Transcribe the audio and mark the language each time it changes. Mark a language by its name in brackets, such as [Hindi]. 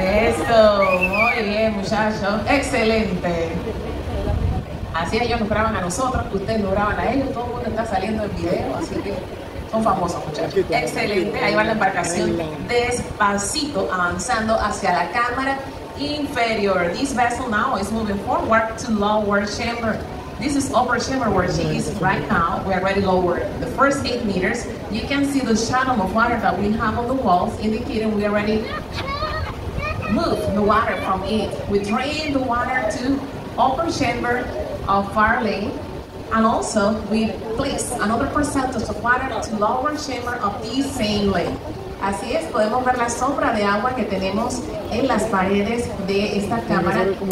[Spanish] Eso, muy bien, muchachos. Excelente. Así ellos nos graban a nosotros, ustedes nos graban a ellos. Todo el mundo está saliendo en video, así que son famosos, muchachos. Excelente. Ahí va la embarcación despacito avanzando hacia la cámara inferior. [English] This vessel now is moving forward to lower chamber. This is upper chamber where she is right now. We are already lower. The first 8 meters, you can see the shadow of water that we have on the walls, indicating we already moved the water from it. We drain the water to upper chamber of Farley, and also we place another percentage of water to lower chamber of this same lake. [Spanish] Así es, podemos ver la sombra de agua que tenemos en las paredes de esta cámara.